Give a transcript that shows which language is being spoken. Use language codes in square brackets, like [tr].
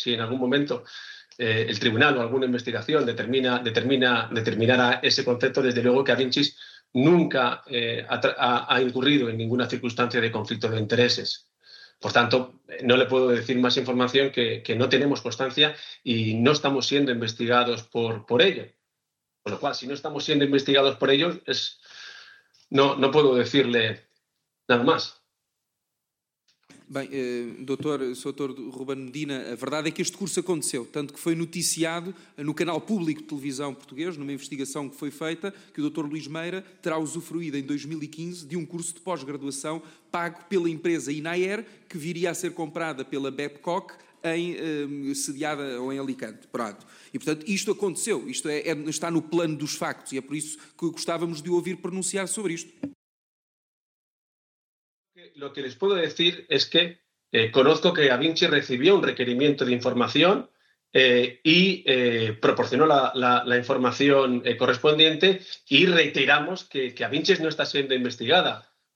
[es] Si en algún momento el tribunal o alguna investigación determinara ese concepto, desde luego que da Vinci nunca ha incurrido en ninguna circunstancia de conflicto de intereses. Por tanto, no le puedo decir más información que no tenemos constancia y no estamos siendo investigados por ello. Con lo cual, si no estamos siendo investigados por ello, no puedo decirle nada más. [pt] Bem, doutor, sou doutor Ruben Medina, a verdade é que este curso aconteceu, tanto que foi noticiado no canal público de televisão português, numa investigação que foi feita, que o doutor Luís Meira terá usufruído em 2015 de um curso de pós-graduação pago pela empresa Inaer, que viria a ser comprada pela Babcock, sediada ou em Alicante. Pronto. E, portanto, isto aconteceu, isto está no plano dos factos, e é por isso que gostávamos de ouvir pronunciar sobre isto. [es] Lo que les puedo decir es que conozco que Da Vinci recibió un requerimiento de información y proporcionó la información correspondiente y reiteramos que Da Vinci no está siendo investigada.